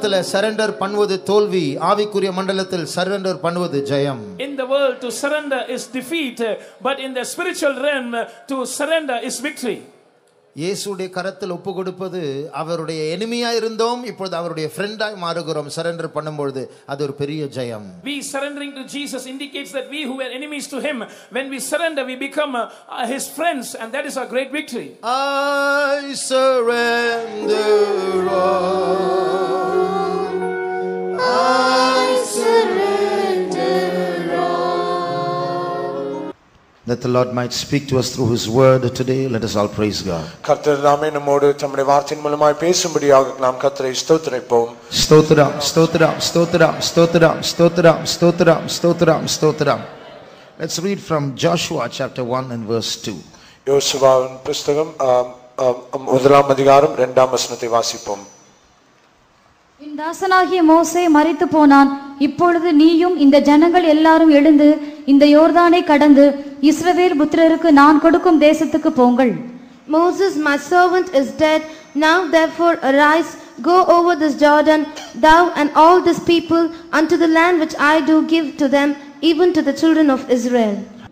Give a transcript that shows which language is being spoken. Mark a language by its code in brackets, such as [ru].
[ta] Surrender பண்ணுவது தோல்வி, ஆவிக்குரிய மண்டலத்தில் சரண்டர் பண்ணுவது ஜெயம். [en] In the world to surrender is defeat, but in the spiritual realm to surrender is victory. [ta] இயேசுவுடைய கரத்தில் ஒப்பு கொடுப்பது, அவருடைய எனிமியாய் இருந்தோம் இப்பொழுது அவருடைய ஃப்ரெண்டாய் மாறுகிறோம் சரண்டர் பண்ணும் பொழுது, அது ஒரு பெரிய ஜெயம். [en] We surrendering to Jesus indicates that we who were enemies to him, when we surrender we become his friends, and that is our great victory. I surrender all. That the Lord might speak to us through his word today, let us all praise God. [ta] கர்த்தர் நாமே நம்மோடு தம்முடைய வார்த்தையின் மூலமாய் பேசும்படியாக நாம் கர்த்தரை ஸ்தோத்திரிப்போம். ஸ்தோத்திரம் ஸ்தோத்திரம் ஸ்தோத்திரம் ஸ்தோத்திரம் ஸ்தோத்திரம் ஸ்தோத்திரம் ஸ்தோத்திரம் ஸ்தோத்திரம். [en] Let's read from Joshua chapter 1 and verse 2. [ta] யோசுவாவின் புத்தகம் முதலாம் அதிகாரம் இரண்டாம் வசனத்தை வாசிப்போம். என் தாசனாகிய மோசே மரித்து போனான், இப்பொழுது நீயும் இந்த ஜனங்கள் எல்லாரும் எழுந்து இந்த யோர்தானை கடந்து இஸ்ரவேல் புத்திரருக்கு நான் கொடுக்கும் தேசத்துக்கு போங்கள். [en] Moses, my servant, is dead. Now therefore arise, go over this Jordan, thou and all this people, unto the land which I do give to them, even to the children of Israel.